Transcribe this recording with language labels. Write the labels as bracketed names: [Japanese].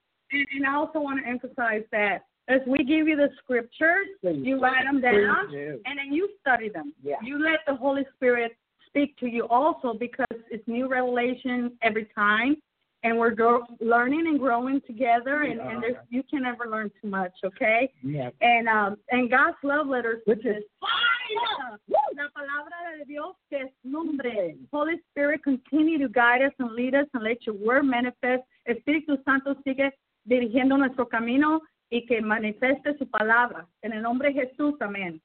[English] And I also want to emphasize that as we give you the scriptures, you write them down, and then you study them. Yeah. You let the Holy Spirit speak to you also, because it's new revelation every time, and we're learning and growing together, and there's, you can never learn too much, okay? Yeah. And God's love letters, which is [Spanish] la palabra de Dios que es nombre. [English] Holy Spirit, continue to guide us and lead us and let your word manifest. [Spanish] Espíritu Santo sigue dirigiendo nuestro camino y que manifeste su palabra. En el nombre de Jesús, amen.